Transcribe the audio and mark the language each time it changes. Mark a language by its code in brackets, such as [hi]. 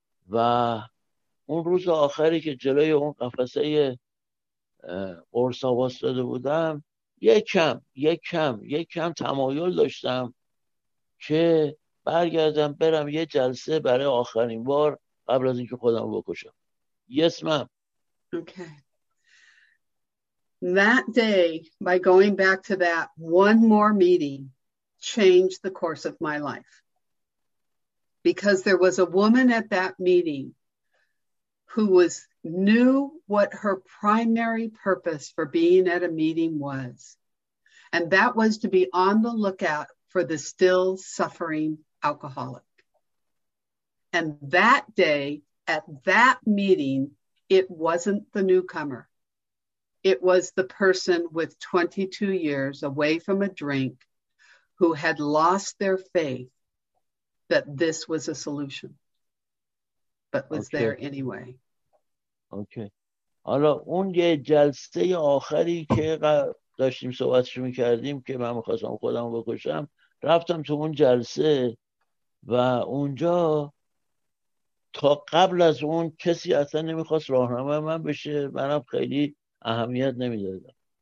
[fa] و اون روز آخری که جلوی اون قفسه قرصا واسطه بودم، یک کم تمایل داشتم که برگردم برم یه جلسه برای آخرین بار قبل از اینکه خودم بکشم. [en] Yes, ma'am. Okay. That day, by going back to that one more meeting, changed the course of my life. Because there was a woman at that meeting who was knew what her primary purpose for being at a meeting was. And that was to be on the lookout for the still suffering alcoholic. And that day, at that meeting, it wasn't the newcomer. It was the person with 22 years away from a drink who had lost their faith that this was a solution, but was okay. There anyway. Okay. [fa] حالا اون یه جلسه آخری که داشتیم صحبتش میکردیم که من میخواستم خودم بکشم، رفتم تو اون جلسه و اونجا تا قبل از اون کسی اصلا نمیخواست راهنمای من بشه، منم خیلی اهمیت نمیدادم.